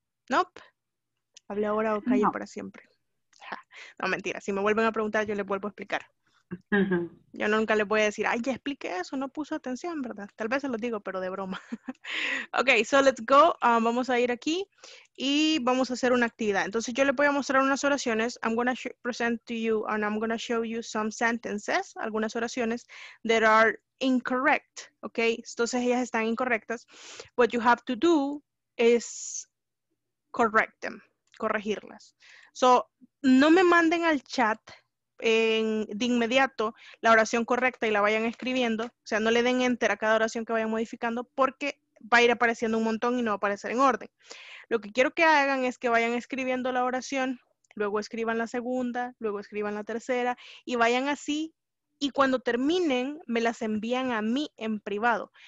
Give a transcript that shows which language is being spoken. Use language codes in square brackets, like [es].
[es] Nope. Hable ahora o calle no. Para siempre. No, mentira. Si me vuelven a preguntar, yo les vuelvo a explicar. Yo nunca les voy a decir, ay, ya expliqué eso, no puso atención, ¿verdad? Tal vez se lo digo, pero de broma. [en] Ok, so let's go. [es] Vamos a ir aquí y vamos a hacer una actividad. Entonces yo les voy a mostrar unas oraciones. [en] I'm going to present to you and I'm going to show you some sentences, [es] algunas oraciones [en] that are incorrect, ¿ok? [es] Entonces ellas están incorrectas. [en] What you have to do is correct them, [es] corregirlas. So, no me manden al chat de inmediato la oración correcta y la vayan escribiendo, o sea, no le den enter a cada oración que vayan modificando porque va a ir apareciendo un montón y no va a aparecer en orden. Lo que quiero que hagan es que vayan escribiendo la oración, luego escriban la segunda, luego escriban la tercera y vayan así, y cuando terminen me las envían a mí en privado.